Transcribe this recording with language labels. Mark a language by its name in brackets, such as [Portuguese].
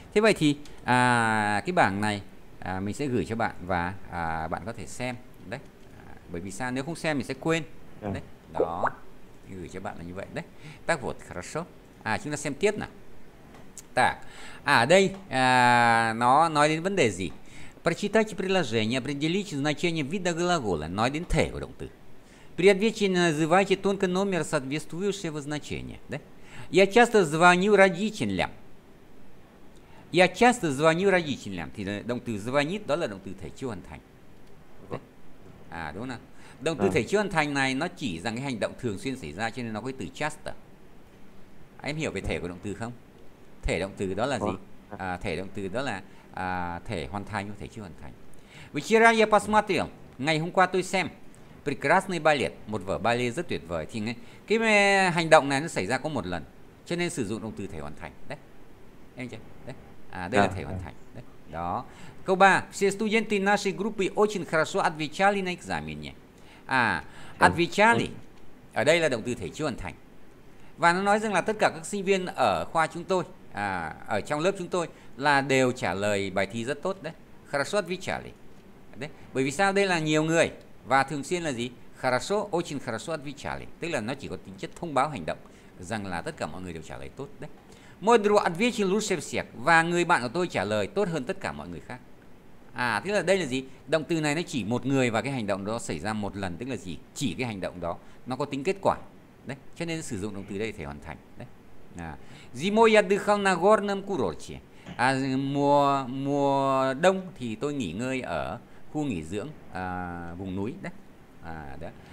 [Vietnamese] Thế vậy thì cái bảng này mình sẽ gửi cho bạn và bạn có thể xem đấy, bởi vì sao, nếu không xem mình sẽ quên đấy, đó gửi cho bạn là như vậy đấy. [Russian] Tác vụt хорошо. [Vietnamese] Chúng ta xem tiếp nào. Так. Đây nó nói đến vấn đề gì? [Russian] Прочитайте предложение, определите значение вида глагола, [Vietnamese] nói đến thể của động từ. [Russian] При отвечении называйте только номер соответствующего значения, да? Я часто звоню родителям. Я часто звоню родителям. [Vietnamese] Thì động từ звонит, đó là động từ thể chưa hoàn thành. Đấy. Đúng không nào? Động từ thể chưa hoàn thành này nó chỉ rằng cái hành động thường xuyên xảy ra, cho nên nó có từ часто. Em hiểu về thể của động từ không? Thể động từ đó là gì? Thể động từ đó là thể hoàn thành hoặc thể chưa hoàn thành. [Russian] Вчера я посмотрел. [Vietnamese] Ngày hôm qua tôi xem. [Russian] Прекрасный балет. [Vietnamese] Một vở ballet rất tuyệt vời. Thì cái hành động này nó xảy ra có một lần, cho nên sử dụng động từ thể hoàn thành. Đấy. Em chưa? Đấy. Đây là thể hoàn thành. Đấy. Đó. Câu 3. [Russian] Все студенты нашей группы очень хорошо отвечали на экзамене. Отвечали. [Vietnamese] Ở đây là động từ thể chưa hoàn thành. Và nó nói rằng là tất cả các sinh viên ở khoa chúng tôi, ở trong lớp chúng tôi là đều trả lời bài thi rất tốt đấy. [Russian] Хорошо отвечали. Đấy. [Vietnamese] Bởi vì sao? Đây là nhiều người và thường xuyên là gì? [Russian] Хорошо, очень хорошо отвечали. [Vietnamese] Tức là nó chỉ có tính chất thông báo hành động rằng là tất cả mọi người đều trả lời tốt đấy. [Russian] Мой друг ответил лучше всех, [Vietnamese] và người bạn của tôi trả lời tốt hơn tất cả mọi người khác. Thế là đây là gì? Động từ này nó chỉ một người và cái hành động đó xảy ra một lần, tức là gì? Chỉ cái hành động đó nó có tính kết quả. Đấy, cho nên sử dụng động từ đây để thể hoàn thành. Đấy. [Russian] Зимой я отдыхал на горном курорте. [Vietnamese] Mùa đông thì tôi nghỉ ngơi ở khu nghỉ dưỡng vùng núi đấy. Đấy.